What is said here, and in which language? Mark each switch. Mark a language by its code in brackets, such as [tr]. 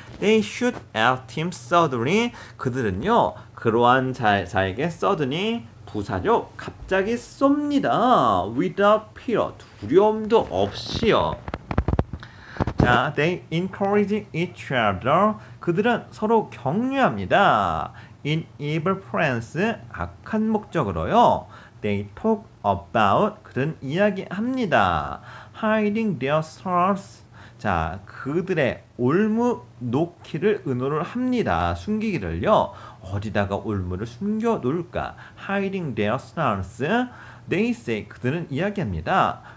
[en] They shoot at him suddenly. [ko] 그들은요, 그러한 자에게 suddenly, 부사죠? 갑자기 쏩니다. [en] Without fear, [ko] 두려움도 없이요. [en] 자, they encourage each other. [ko] 그들은 서로 격려합니다. [en] In evil plans, [ko] 악한 목적으로요. [en] They talk about, [ko] 그들은 이야기합니다. [en] Hiding their thoughts. [ko] 자, 그들의 올무 놓기를 의논을 합니다. 숨기기를요. 어디다가 올무를 숨겨놓을까? [en] Hiding their snares. They say, [ko] 그들은 이야기합니다.